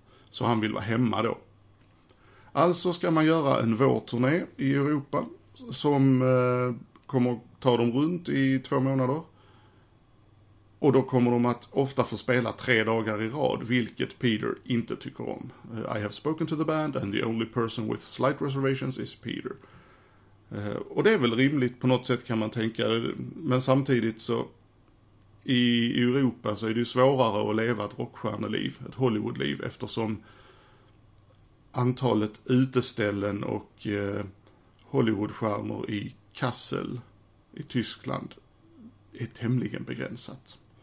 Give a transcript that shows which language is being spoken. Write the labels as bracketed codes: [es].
[sv] Så han vill vara hemma då. Alltså ska man göra en vårturné i Europa som kommer ta dem runt i 2 månader. Och då kommer de att ofta få spela 3 dagar i rad, vilket Peter inte tycker om. [en] I have spoken to the band and the only person with slight reservations is Peter. [sv] Och det är väl rimligt på något sätt, kan man tänka. Men samtidigt så, i Europa så är det ju svårare att leva ett rockstjärneliv, ett Hollywoodliv, eftersom antalet uteställen och Hollywoodstjärnor i Kassel i Tyskland är tämligen begränsat.